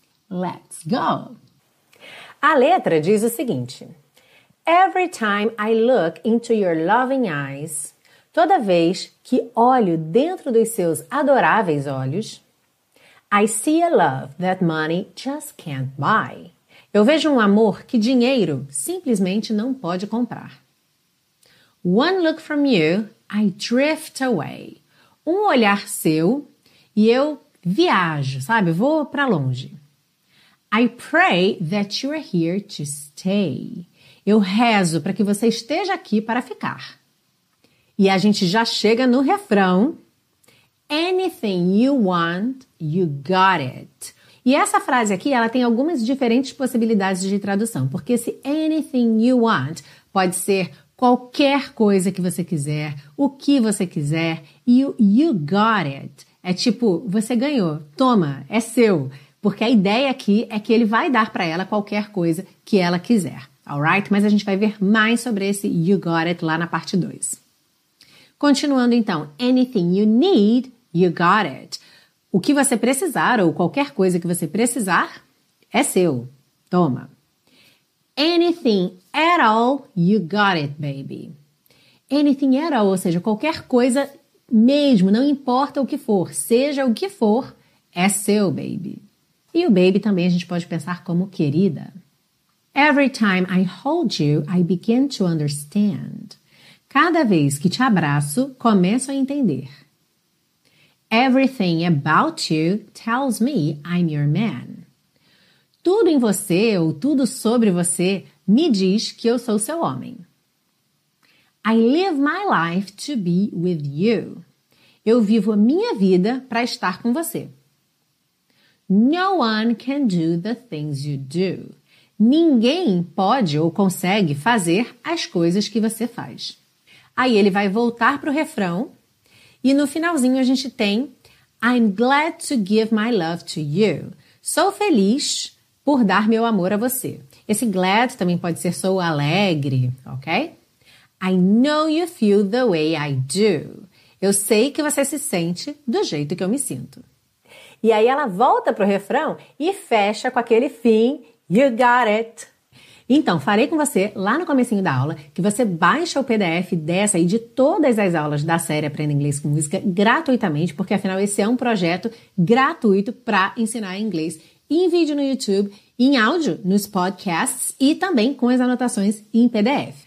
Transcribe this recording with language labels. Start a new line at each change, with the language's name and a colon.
English: Let's go!
Portuguese: A letra diz o seguinte:
English: Every time I look into your loving eyes,
Portuguese: toda vez que olho dentro dos seus adoráveis olhos,
English: I see a love that money just can't buy.
Portuguese: Eu vejo um amor que dinheiro simplesmente não pode comprar.
English: One look from you, I drift away.
Portuguese: Um olhar seu e eu viajo, sabe? Vou para longe.
English: I pray that you are here to stay.
Portuguese: Eu rezo para que você esteja aqui para ficar. E a gente já chega no refrão.
English: Anything you want, you got it.
Portuguese: E essa frase aqui, ela tem algumas diferentes possibilidades de tradução. Porque esse
English: anything you want
Portuguese: pode ser qualquer coisa que você quiser, o que você quiser, e o
English: you got it
Portuguese: é tipo, você ganhou, toma, é seu. Porque a ideia aqui é que ele vai dar para ela qualquer coisa que ela quiser, alright? Mas a gente vai ver mais sobre esse
English: you got it
Portuguese: lá na parte 2. Continuando então,
English: anything you need, you got it.
Portuguese: O que você precisar ou qualquer coisa que você precisar é seu, toma.
English: Anything at all, you got it, baby. Anything at all,
Portuguese: ou seja, qualquer coisa mesmo, não importa o que for, seja o que for, é seu, baby. E o baby também a gente pode pensar como querida.
English: Every time I hold you, I begin to understand.
Portuguese: Cada vez que te abraço, começo a entender.
English: Everything about you tells me I'm your man.
Portuguese: Tudo em você ou tudo sobre você me diz que eu sou seu homem.
English: I live my life to be with you.
Portuguese: Eu vivo a minha vida para estar com você.
English: No one can do the things you do.
Portuguese: Ninguém pode ou consegue fazer as coisas que você faz. Aí ele vai voltar para o refrão e no finalzinho a gente tem
English: I'm glad to give my love to you.
Portuguese: Sou feliz por dar meu amor a você. Esse glad também pode ser sou alegre, ok?
English: I know you feel the way I do.
Portuguese: Eu sei que você se sente do jeito que eu me sinto. E aí ela volta pro refrão e fecha com aquele fim,
English: you got it.
Portuguese: Então, falei com você lá no comecinho da aula que você baixa o PDF dessa e de todas as aulas da série Aprenda Inglês com Música gratuitamente, porque afinal esse é um projeto gratuito para ensinar inglês em vídeo no YouTube, em áudio nos podcasts e também com as anotações em PDF.